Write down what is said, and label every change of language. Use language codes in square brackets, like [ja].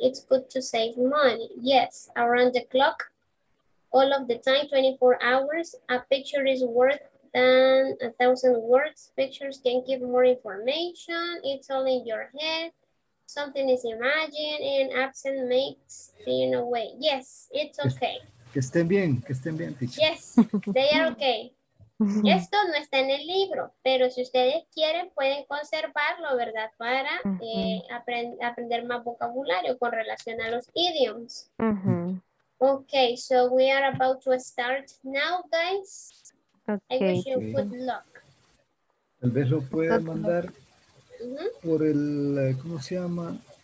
[en] It's good to save money. Yes, around the clock, all of the time, 24 hours. A picture is worth than 1,000 words. Pictures can give more information. It's all in your head. Something is imagined and absent makes in a way. Yes, it's okay. [es] Que estén bien, teacher. [en] Yes, they are okay. [es] Esto no está en el libro, pero si ustedes quieren, pueden conservarlo, ¿verdad? Para aprender más vocabulario con relación a los idioms. Uh-huh. [en] Okay, so we are about to start now, guys. Okay. I wish you good luck. [es] Tal vez lo puedan mandar por el, ¿cómo se llama?